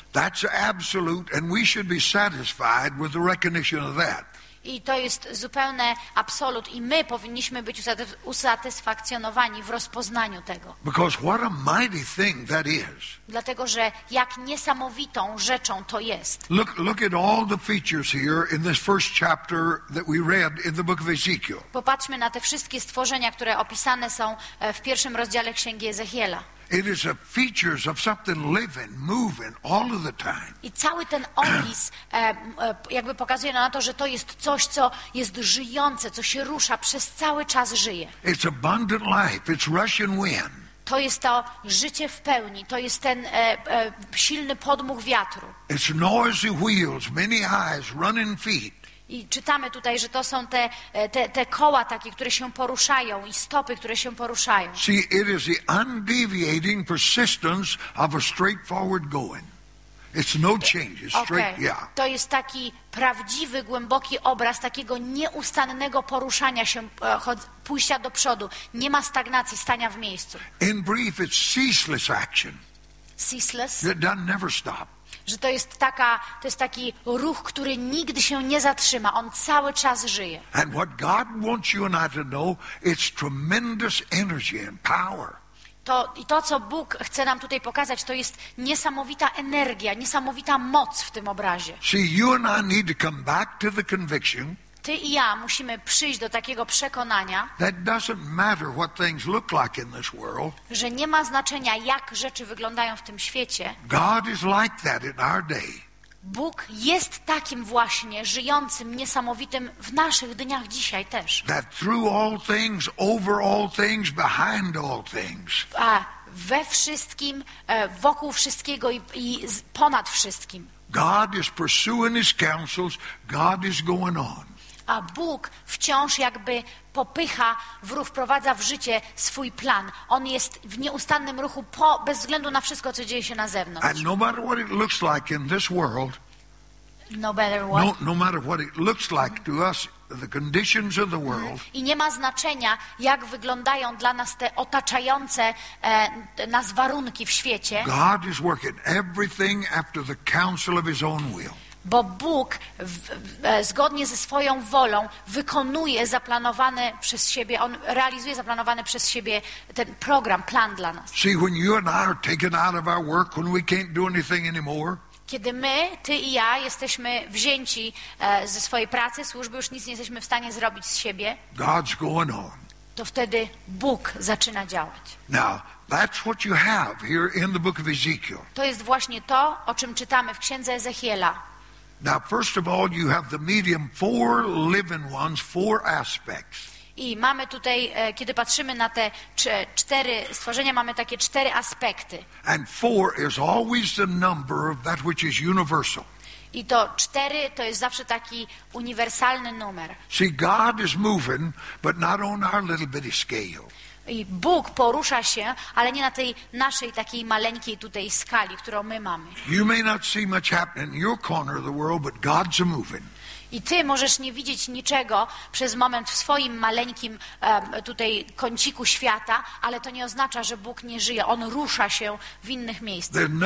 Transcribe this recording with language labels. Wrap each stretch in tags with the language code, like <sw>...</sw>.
<en>That's absolute and we should be satisfied with the recognition of that.</en> <pl>I to jest zupełne absolut i my powinniśmy być usatysfakcjonowani w rozpoznaniu tego.</pl> <en>Because what a mighty thing that is.</en> <pl>Dlatego, że jak niesamowitą rzeczą to jest.</pl> <en>Look at all the features here in this first chapter that we read in the book of Ezekiel.</en> <pl>Popatrzmy na te wszystkie stworzenia, które opisane są w pierwszym rozdziale Księgi Ezechiela.</pl> <en>It is a features of something living, moving all of the time.</en> <pl>I cały ten opis jakby pokazuje na to, że to jest coś, co jest żyjące, co się rusza, przez cały czas żyje.</pl> <en>It's abundant life, it's rushing wind.</en> <pl>To jest to życie w pełni, to jest ten silny podmuch wiatru.</pl> <en>It's noisy wheels, many eyes, running feet.</en> <pl>I czytamy tutaj, że to są te koła takie, które się poruszają i stopy, które się poruszają.</pl> <en>See, it is the undeviating persistence of a straightforward going. It's no change, it's straight, okay. Yeah.</en> <pl>To jest taki prawdziwy, głęboki obraz takiego nieustannego poruszania się, pójścia do przodu. Nie ma stagnacji, stania w miejscu.</pl> <en>In brief, it's ceaseless action. Ceaseless? It doesn't never stop.</en> <pl>Że to jest taka, to jest taki ruch, który nigdy się nie zatrzyma. On cały czas żyje.</pl> <en>And what God wants you and I to know, it's tremendous energy and power.</en> <pl>To, i to, co Bóg chce nam tutaj pokazać, to jest niesamowita energia, niesamowita moc w tym obrazie.</pl> <en>See, you and I need to come back to the conviction.</en> <pl>Ty i ja musimy przyjść do takiego przekonania,</pl> <en>that doesn't matter what things look like in this world,</en> <pl>że nie ma znaczenia, jak rzeczy wyglądają w tym świecie.</pl> <en>God is like that in our day.</en> <pl>Bóg jest takim właśnie żyjącym, niesamowitym w naszych dniach dzisiaj też.</pl> <en>That through all things, over all things, behind all things.</en> <pl>A we wszystkim, wokół wszystkiego i ponad wszystkim.</pl> <en>God is pursuing his counsels, God is going on.</en> <pl>A Bóg wciąż jakby popycha, wprowadza w życie swój plan. On jest w nieustannym ruchu bez względu na wszystko, co dzieje się na zewnątrz.</pl> <en>And no matter what it looks like in this world, no matter what, no matter what it looks like to us, the conditions of the world,</en> <pl>i nie ma znaczenia, jak wyglądają dla nas te otaczające nas warunki w świecie.</pl> <en>God is working everything after the counsel of his own will.</en> <pl>bo Bóg zgodnie ze swoją wolą wykonuje zaplanowany przez siebie, on realizuje zaplanowany przez siebie ten program, plan dla nas.</pl> <en>See, when you and I are taken out of our work, when we can't do anything anymore.</en> <pl>Kiedy my, ty i ja, jesteśmy wzięci ze swojej pracy, służby, już nic nie jesteśmy w stanie zrobić z siebie,</pl> <en>God's going on.</en> <pl>To wtedy Bóg zaczyna działać.</pl> <en>Now, that's what you have here in the book of Ezekiel.</en> <pl>To jest właśnie to, o czym czytamy w Księdze Ezechiela.</pl> <en>Now, first of all, you have the medium, four living ones, four aspects.</en> <pl>I mamy tutaj, kiedy patrzymy na te cztery stworzenia, mamy takie cztery aspekty.</pl> <en>And four is always the number of that which is universal.</en> <pl>I to cztery to jest zawsze taki uniwersalny numer.</pl> <en>See, God is moving, but not on our little bitty scale.</en> <pl>I Bóg porusza się, ale nie na tej naszej takiej maleńkiej tutaj skali, którą my mamy.</pl> <en>You may not see much happening in your corner of the world, but God's moving.</en> <pl>I ty możesz nie widzieć niczego przez moment w swoim maleńkim tutaj kąciku świata, ale to nie oznacza, że Bóg nie żyje. On rusza się w innych miejscach.</pl>